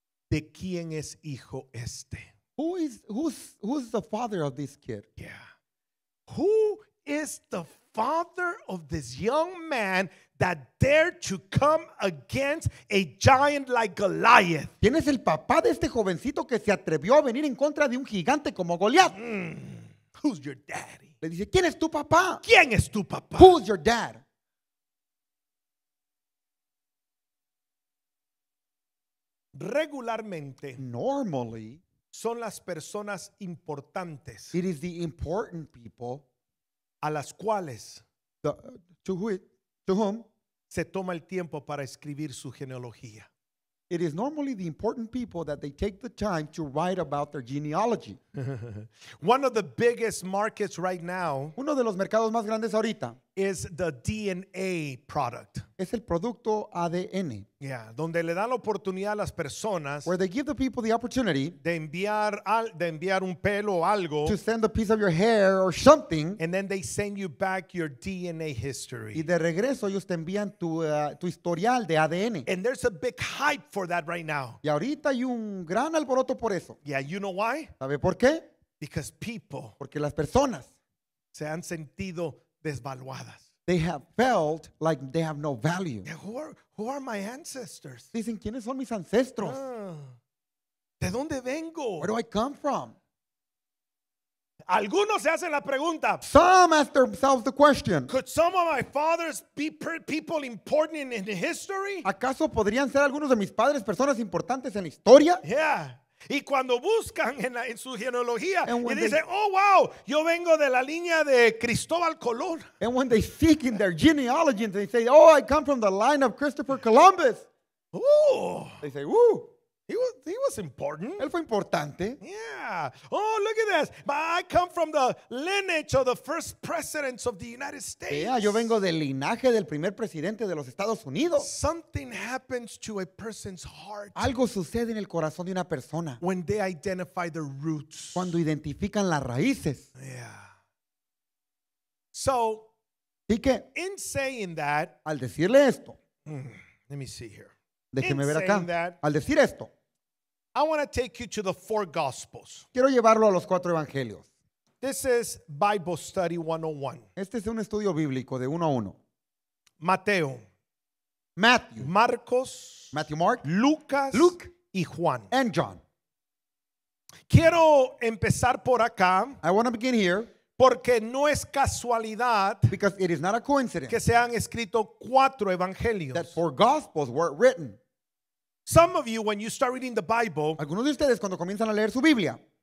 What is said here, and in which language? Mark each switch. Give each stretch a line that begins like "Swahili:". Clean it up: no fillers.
Spanish: ¿De quién es hijo este?
English: Who's the father of this kid? Yeah. Who is the father of this young man that dared to come against a giant like Goliath?
Spanish: ¿Quién es el papá de este jovencito que se atrevió a venir en contra de un gigante como Goliath?
English: Who's your daddy?
Spanish: Le dice, ¿quién es tu papá? ¿Quién es tu papá?
English: Who's your dad?
Spanish: Regularmente.
English: Normally.
Spanish: Son las personas importantes.
English: It is the important people.
Spanish: A las cuales.
English: To whom.
Spanish: Se toma el tiempo para escribir su genealogía.
English: It is normally the important people that they take the time to write about their genealogy. One of the biggest markets right now.
Spanish: Uno de los mercados más grandes ahorita.
English: Is the DNA product.
Spanish: Es el producto ADN. Yeah, donde le dan la oportunidad a las personas.
English: Where they give the people the opportunity.
Spanish: De enviar un pelo o algo.
English: To send a piece of your hair or something. And then they send you back your DNA history.
Spanish: Y de regreso ellos te envían tu historial de ADN.
English: And there's a big hype for that right now.
Spanish: Y ahorita hay un gran alboroto por eso.
English: Yeah, you know why?
Spanish: ¿Sabe por qué?
English: Because people.
Spanish: Porque las personas. Se han sentido desvaluadas.
English: They have felt like they have no value. Yeah, who are my ancestors?
Spanish: Dicen, ¿quiénes son mis ancestros? ¿De dónde vengo?
English: Where do I come from?
Spanish: Algunos se hacen la pregunta.
English: Some ask themselves the question. Could some of my fathers be people important in history?
Spanish: ¿Acaso podrían ser algunos de mis padres personas importantes en la historia?
English: Yeah.
Spanish: Y cuando buscan en su genealogía y dicen, oh wow, yo vengo de la línea de Cristóbal Colón.
English: And when they seek in their genealogy and they say, oh, I come from the line of Christopher Columbus. Ooh. They say, woo. He was important.
Spanish: Él fue importante.
English: Yeah. Oh, look at this. I come from the lineage of the first presidents of the United States.
Spanish: Yeah, yo vengo del linaje del primer presidente de los Estados Unidos.
English: Something happens to a person's heart.
Spanish: Algo sucede en el corazón de una persona.
English: When they identify their roots.
Spanish: Cuando identifican las raíces.
English: Yeah. So,
Spanish: ¿y qué?
English: In saying that,
Spanish: al decirle esto,
English: let me see here.
Spanish: Déjeme ver acá.
English: That,
Spanish: al decir esto,
English: I want to take you to the four gospels.
Spanish: Quiero llevarlo a los cuatro evangelios.
English: This is Bible study 101.
Spanish: Este es un estudio bíblico de 1-1. Mateo.
English: Matthew.
Spanish: Marcos.
English: Matthew, Mark.
Spanish: Lucas.
English: Luke.
Spanish: Y Juan.
English: And John.
Spanish: Quiero empezar por acá.
English: I want to begin here.
Spanish: Porque no es casualidad.
English: Because it is not a coincidence.
Spanish: Que se han escrito cuatro evangelios.
English: That four gospels were written. Some of you, when you start reading the Bible.
Spanish: Algunos de ustedes cuando comienzan a leer su Biblia.